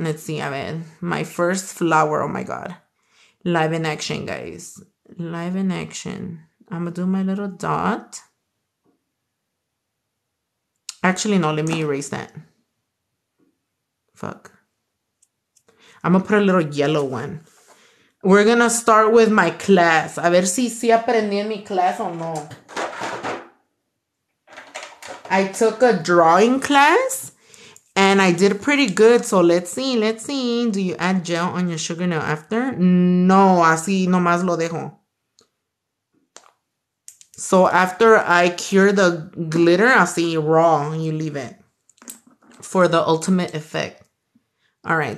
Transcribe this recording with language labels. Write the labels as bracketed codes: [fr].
[en] Let's see, I mean, my first flower, oh my God. Live in action, guys. Live in action. I'm going to do my little dot. Actually, no, let me erase that. Fuck. I'm going to put a little yellow one. We're going to start with my class. [es] A ver si aprendí en mi class o no. [en] I took a drawing class and I did pretty good. So let's see. Let's see. Do you add gel on your sugar nail after? [es] No, así nomás lo dejo. [en] So after I cure the glitter, así raw, you leave it for the ultimate effect. All right.